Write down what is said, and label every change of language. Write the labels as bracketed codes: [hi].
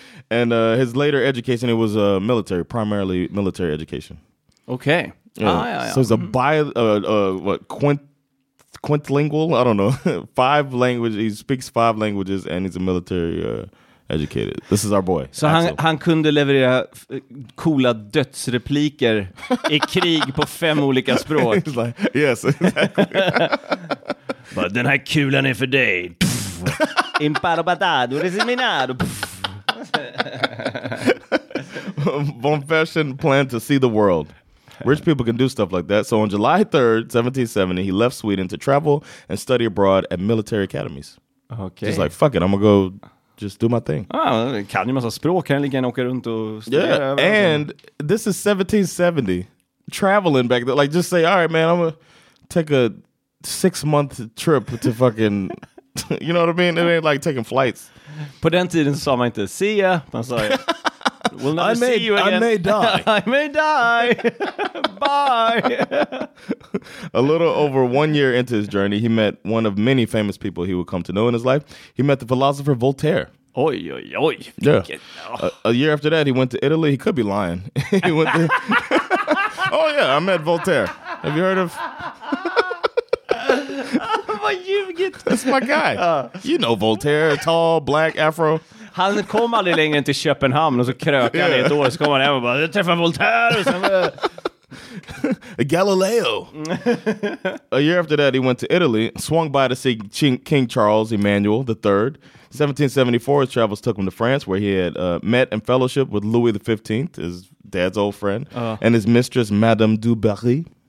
[en] And his later education, it was military, primarily military education. Okay. Yeah. Ah, yeah, yeah. So he's a quintlingual, I don't know, five languages, he speaks five languages, and he's a military educated. This is our boy. [sv] Så han kunde leverera coola dödsrepliker i krig på fem olika språk. [en] He's like, yes, exactly. [sv] Den här kulan är för dig. Imparo patado, resiminado. [en] Von Fersen planned to see the world. Rich people can do stuff like that. So on July 3rd, 1770, he left Sweden to travel and study abroad at military academies. Okay. Just like, fuck it, I'm going to go just do my thing. [sv] Ah, kan ju massa språk, kan lika gärna åka runt och studera. [en] Yeah, and this is 1770, traveling back there. Like, just say, all right, man, I'm going to take a six-month trip to fucking, you know what I mean? It ain't like taking flights. [sv] På den tiden sa man inte, [en] see ya. [sv] Man sa, [en] we'll never see you again. I may die. I may die. Bye. A little over 1 year into his journey, he met one of many famous people he would come to know in his life. He met the philosopher Voltaire. Oy, oy, oy. Yeah. A year after that, he went to Italy. He could be lying. He went there. Oh, yeah. I met Voltaire. Have you heard of... That's my guy. You know Voltaire. Tall, black, afro. [sv] Han kom aldrig längre till Köpenhamn och så krökade han ett år, så kom han hem och bara, jag träffar Voltaire. Och sen [en] Galileo. A year after that, he went to Italy, swung by to see King Charles Emmanuel III. 1774, his travels took him to France, where he had met and fellowship with Louis the 15th, his dad's old friend, and his mistress, Madame du Barry.